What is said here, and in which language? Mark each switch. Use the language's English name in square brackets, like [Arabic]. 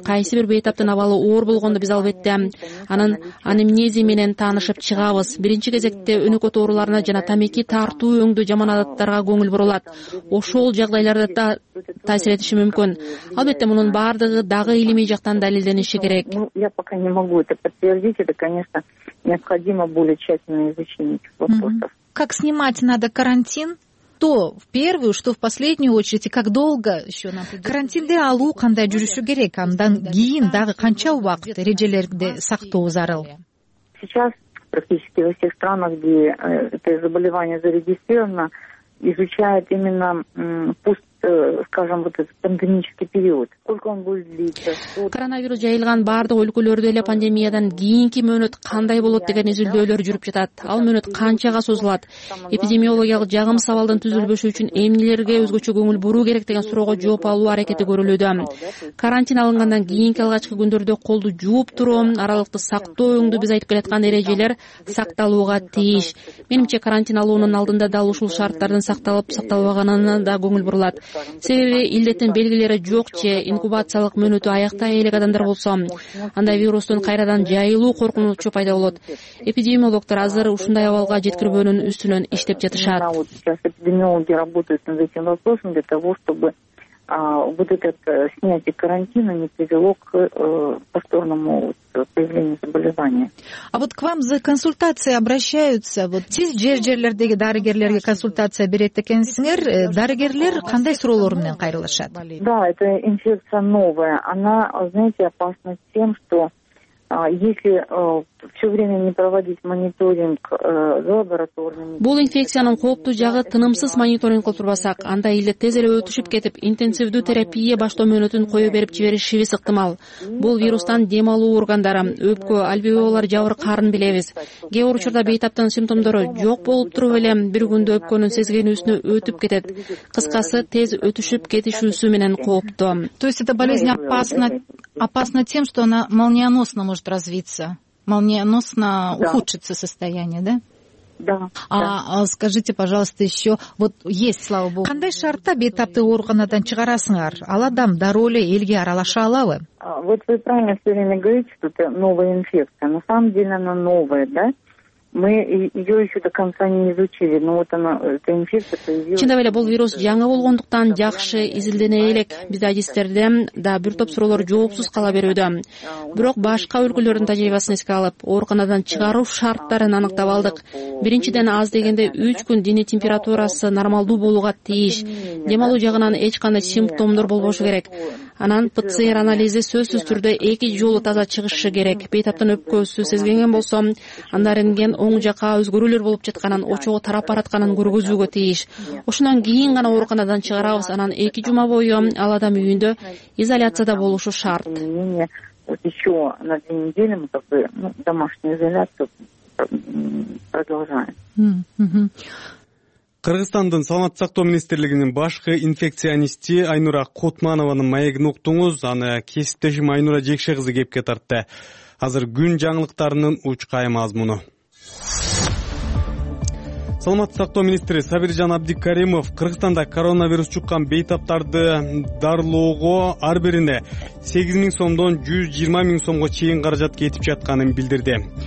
[Kyrgyz] Кайсы бир бейтаптын абалы оор болгондо биз албетте анын анемнези менен таанышып чыгабыз. Биринчи кезекте өнөкөт ооруларына жана тамеки тартуу өңдүү жаман адаттарга көңүл бурулат. Ошол жагдайларда да таасир этиши мүмкүн. Албетте, мунун баардыгы дагы илимий жактан далилдениши керек. [Russian] Я пока не могу это подтвердить. Это, конечно, необходимо более тщательное изучение этих вопросов. Как снимать надо карантин? Что в первую, что в последнюю очередь, и как долго еще нам придется? [Kyrgyz] Карантинде алуу кандай жүрүшү керек? Андан кийин дагы канча убакыт эрежелерди сактоо зарыл? [Russian] Сейчас практически во всех странах, где это заболевание зарегистрировано, изучают именно пусть, скажем, вот этот пандемический период. Сколько он будет длиться? [Kyrgyz] Коронавирус жайылган бардык өлкөлөрдө эле пандемиядан кийинки мөөнөт кандай болот деген изилдөөлөр жүрүп жатат. Ал мөөнөт канчага созулат? Эпидемиологиялык жагымсыз абалдын түзүлбөшү үчүн эмнелерге өзгөчө көңүл буруу керек деген суроого жооп алуу аракети көрүлүүдө. Карантин алынгандан кийинки алгачкы күндөрдө колду жууп туруу, аралыкты сактоо өңдү биз айтып келаткан эрежелер сакталууга тийиш. Менимче, карантин алуунун алдында дал ушул шарттардын сакталып, сакталбаганына да көңүл бурулат. Себеби илдеттин белгилери жок же инкубациялык мөөнөтү аяктай элек адамдар болсо, анда вирустун кайрадан жайылуу коркунучу пайда болот. Эпидемиологдор азыр ушундай абалга жеткирбөөнүн үстүнөн иштеп жатышат. [Russian] Сейчас эпидемиологи работают над этим вопросом для того, чтобы вот этот снятие карантина не привело к повторному появлению заболевания. А вот к вам за консультацией обращаются? [Kyrgyz] Вот сиз жер-жерлердеги дарыгерлерге консультация берет экенсиңер, дарыгерлер кандай суроолор менен кайрылышат? [Russian] Да, это инфекция новая. Она, знаете, опасна тем, что если все время не проводить мониторинг за лабораторными... [Kyrgyz] Бул инфекциянын кооптуу жагы, тынымсыз мониторинг кылбасак, анда илдет тез эле өтүшүп кетип, интенсивдүү терапия баштоо мөөнөтүн кое берип жиберишибиз ыктымал. Бул вирустан дем алуу органдары, өпкө, альвеолар жабыркаарын билебиз. Кээ бир учурда бейтаптын симптомдору жок болуп туруп эле бир күндө өпкөнүн сезгени үстүнө өтүп кетет. Кыскасы, тез өтүшүп кетишүүсү менен кооптуу. [Russian] То есть эта болезнь опасна тем, что она молниеносно может развиться. Молниеносно ухудшится состояние, да? Да. Скажите, пожалуйста, еще, вот есть, слава богу. [Kyrgyz] Кандай шартта бейтапты ооруканадан чыгарасыңар? Ал адам дароо эле элге аралаша алабы? [Russian] Вот вы правильно все время говорите, что это новая инфекция. На самом деле она новая, да? Мы ее еще до конца не изучили, но вот она, эта инфекция появилась. [Kyrgyz] Чындап эле, бул вирус жаңы болгондуктан жакшы изилдене элек. Бизде адистерде да бир топ суроолор жоопсуз кала берүүдө. Бирок башка өлкөлөрдүн тажрыйбасын эске алып, ооруканадан чыгаруу шарттарын аныктап алдык. Биринчиден, аз дегенде 3 күн дене температурасы нормалдуу болууга тийиш. Дем алуу жагынан эч кандай симптомдор болбошу керек. анан ПЦР анализи сөзсүз түрдө 2 жолу таза чыгышы керек. Бейтаптын өпкөсү сезгенген болсом, анда рентген оң жака өзгөрүүлөр болуп жатканын, очогу тарап баратканын көргөзүүгө тийиш. Ошондон кийин гана ооруканадан чыгарабыз, анан 2 жума бою ал адам үйүндө изоляцияда болушу шарт. [Russian] Вот еще на 2 недели мы как бы домашнюю изоляцию продолжаем. [Kyrgyz] Кыргызстандын саламат сактоо министрлигинин башкы инфекционисти Айнура Кутманованын маегин уктуңуз, аны кесиптешим Айнура Жекше кызы кепке тартты. Азыр күн жаңылыктарынын учкай мазмуну. Саламат сактоо министри Сабиржан Абдикаримов Кыргызстанда коронавирус чыккан бейтаптарды дарылоого ар бирине 8000 сомдон 120 000 сомго чейин каражат кетип жатканын билдирди.